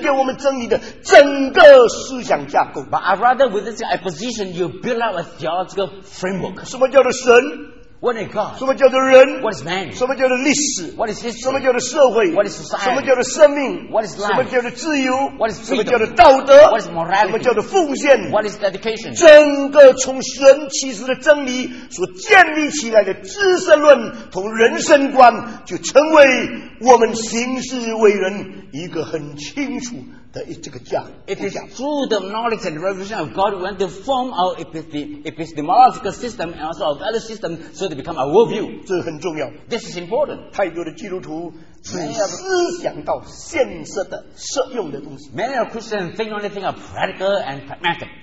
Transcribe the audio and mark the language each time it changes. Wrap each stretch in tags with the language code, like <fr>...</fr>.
<zh>盼望从这些讲解中间给你组织一个与神启示给我们真理的整个思想架构。</zh> <en>But I'd rather with this position, you build up a theological framework.</en> <zh>什么叫做神？</zh> <en>What is God?</en> <zh>什么叫做人？</zh> <en>What is man?</en> <zh>什么叫做历史？</zh> <en>What is history?</en> <zh>什么叫做社会？</zh> <en>What is society?</en> <zh>什么叫做生命？</zh> <en>What is life?</en> <zh>什么叫做自由？</zh> <en>What is freedom?</en> <zh>什么叫做道德？</zh> <en>What is morality?</en> <zh>什么叫做奉献？</zh> <en>What is dedication?</en> <zh>整个从神启示的真理所建立起来的知识论同人生观，就成为我们行事为人一个很清楚。</zh> <en>It is through the knowledge and revelation of God we want to form our epistemological system and also our value system so they become our worldview.</en> <zh>这很重要。</zh> <en>This is important.</en> <zh>太多的基督徒 只想到现实的、实用的东西。</zh> <en>Many of Christians think only things are practical and pragmatic.</en>